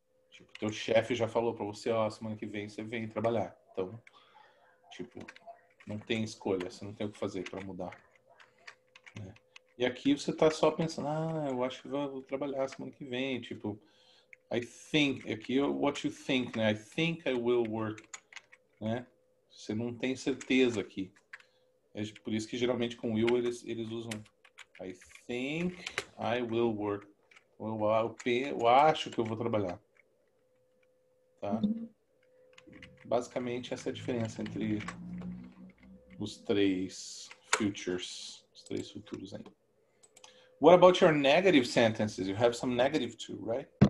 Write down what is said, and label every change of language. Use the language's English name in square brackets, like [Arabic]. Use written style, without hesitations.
[Portuguese] Tipo, teu chefe já falou pra você, ó, semana que vem você vem trabalhar. Então, tipo, não tem escolha. Você não tem o que fazer pra mudar. Né? E aqui você tá só pensando, ah, eu acho que vou trabalhar semana que vem. [English] Tipo, I think... Aqui, what you think, né? I think I will work. [Portuguese] Né? Você não tem certeza aqui. É por isso que geralmente com will eles usam [English] I think I will work. [Portuguese] Eu acho que eu vou trabalhar. Tá? Basicamente essa é a diferença entre os três futures. Os três futuros aí. [English] What about your negative sentences? You have some negative too, right?